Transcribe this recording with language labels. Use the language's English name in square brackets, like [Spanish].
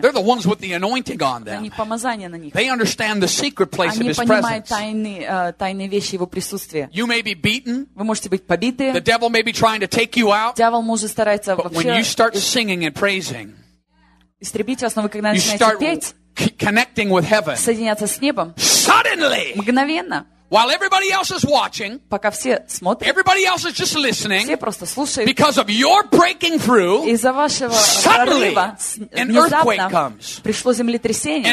[English] They're the ones with the anointing on them. [Russian] Они помазание на них. [English] They understand the secret place of His presence. [Russian] Они понимают тайные вещи Его присутствия. [English] You may be beaten. [Russian] Вы можете быть побиты. [English] The devil may be trying to take you out. [Russian] Дьявол может стараться вообще. [English] But when you start singing and praising, [Russian] истребить вас, но вы когда начинаете петь. [English] Connecting with heaven. [Russian] Соединяться с небом. [English] Suddenly. [Russian] Мгновенно. [English] While everybody else is watching. [Russian] Пока все смотрят. [English] Everybody else is just listening. [Russian] Все просто слушают. [English] Because of your breaking through. [Russian] Из-за вашего [English] suddenly, [Russian] прорыва. [English] An earthquake comes. [Russian] Пришло землетрясение.